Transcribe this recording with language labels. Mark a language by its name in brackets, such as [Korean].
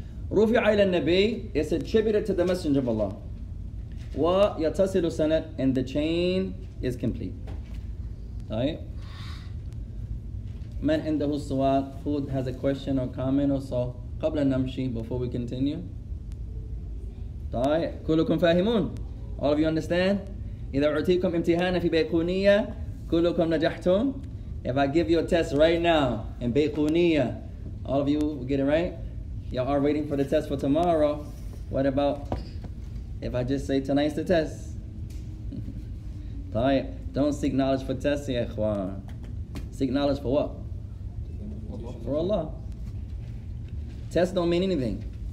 [Arabic] Rufi'a ila nabi, [English] it's attributed to the Messenger of Allah. [Arabic] Wa yatasilu sanad, [English] and the chain is complete. Alright? [Arabic] من عنده السؤال? [English] Who has a question or comment or so? [Arabic] قبل نمشي, [English] before we continue. [Arabic] طيب. كلكم فاهمون? [English] All of you understand? [Arabic] إذا أعطيكم امتحان في بيقونية, كلكم نجحتم. [English] If I give you a test right now in Bayquuniyyah, all of you get it right? Y'all are waiting for the test for tomorrow. What about if I just say tonight's the test? [Arabic] طيب, [English] don't seek knowledge for tests, [Arabic] يا إخوان. [English] Seek knowledge for what? For Allah. Tests don't mean anything.